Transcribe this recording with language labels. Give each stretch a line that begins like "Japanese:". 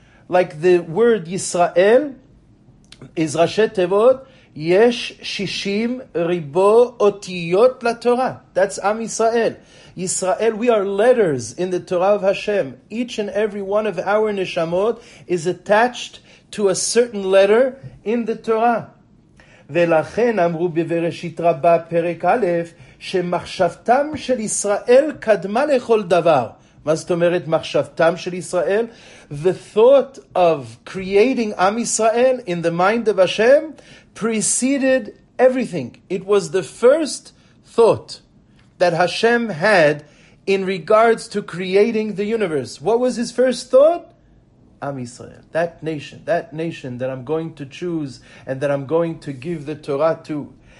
English: Like the word Yisrael, is Rashi Tevot,
Hebrew: yesh shishim ribo otiyot la'Torah.
English: That's Am Yisrael. Yisrael, we are letters in the Torah of Hashem. Each and every one of our neshamot is attached to a certain letter in the Torah.
Hebrew: ולכן אמרו בבראשית רבה פרק א' שמחשבתם של ישראל קדמה לכל דבר. מה זאת אומרת מחשבתם של ישראל?
English: The thought of creating Am Yisrael in the mind of Hashem preceded everything. It was the first thought that Hashem had in regards to creating the universe. What was his first thought? Am Yisrael, that nation that I'm going to choose and that I'm going to give the Torah to.